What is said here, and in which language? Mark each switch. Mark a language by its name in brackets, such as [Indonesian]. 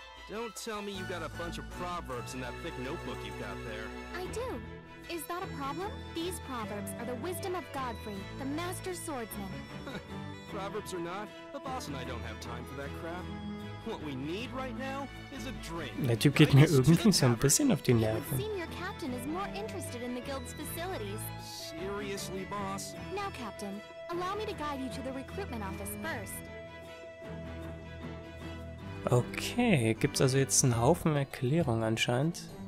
[English] Don't tell me you've got a bunch of proverbs in that thick notebook you've got there. I do. Is that a problem? These proverbs are the wisdom of Godfrey, the master swordsman. Proverbs or not, the boss and I don't have time for that crap. What we need right now is a drink. [German] Der Typ geht mir irgendwie so ein bisschen auf die Nerven. [English] Senior Captain is more interested in the guild's facilities. Seriously, boss? Now, Captain, allow me to guide you to the recruitment office first. [German] Okay, gibt's also jetzt einen Haufen Erklärung anscheinend.